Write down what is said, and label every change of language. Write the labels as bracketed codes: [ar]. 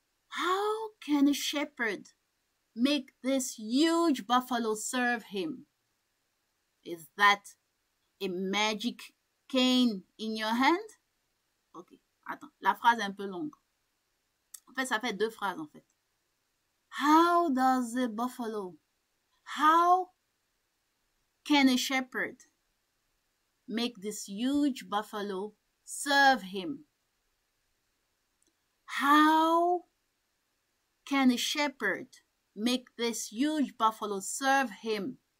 [en] How can a shepherd make this huge buffalo serve him? Is that a magic cane in your hand? [fr] Ok, attends, la phrase est un peu longue. En fait, ça fait deux phrases en fait. [en] How does a buffalo? How can a shepherd make this huge buffalo serve him? How can a shepherd make this huge buffalo serve him?